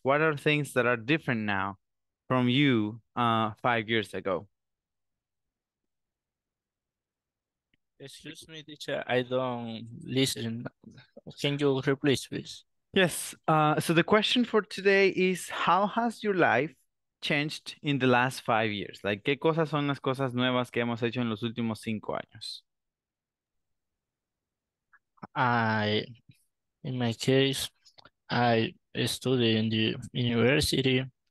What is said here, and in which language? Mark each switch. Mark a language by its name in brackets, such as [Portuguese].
[English] What are things that are different now from you 5 years ago? Excuse me, teacher, I don't listen. Can you replace, please? Yes, so the question for today is, how has your life changed in the last 5 years? Like, [Spanish] ¿qué cosas son las cosas nuevas que hemos hecho en los últimos 5 años? [English] In my case, I study in the university.